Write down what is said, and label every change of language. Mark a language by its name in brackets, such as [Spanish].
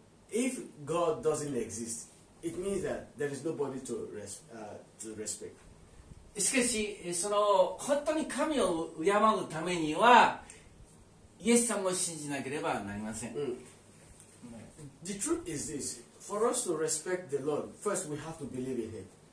[English] If God doesn't exist, it means that there is nobody to respect. [Japanese] しかし、その本当に神を敬うためにはイエス様を信じなければなりません。 Mm. [English] The truth is this: for us to respect the Lord, first we have to believe in Him.